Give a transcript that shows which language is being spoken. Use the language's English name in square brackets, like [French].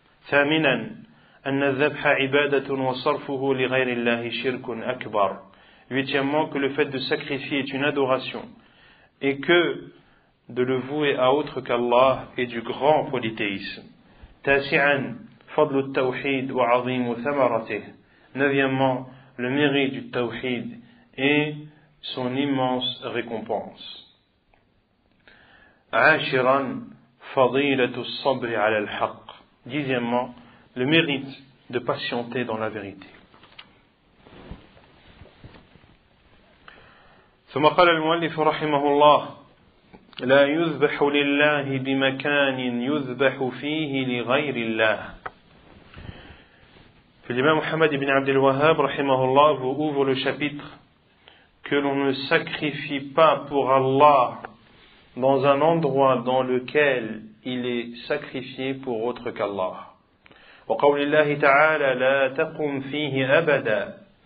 [Arabic] ثامناً أن الذبح عبادة وصرفه لغير الله شرك أكبر. [French] Huitièmement, que le fait de sacrifier est une adoration et que de le vouer à autre qu'Allah est du grand polythéisme. [Arabic] تاسعا فضل التوحيد وعظيم ثمرته. [French] Neuvièmement, le mérite du tawhid et son immense récompense. [Arabic] عاشرا فضيلة الصبر على الحق. [French] Dixièmement, le mérite de patienter dans la vérité. [Arabic] ثم قال المؤلف رحمه الله لا يذبح لله بمكان يذبح فيه لغير الله. [French] L'imam Muhammad ibn Abdel Wahhab rahimahullah vous ouvre le chapitre que l'on ne sacrifie pas pour Allah dans un endroit dans lequel il est sacrifié pour autre qu'Allah. [Arabic] Wa qawlillahi ta'ala la taqum fihi abada.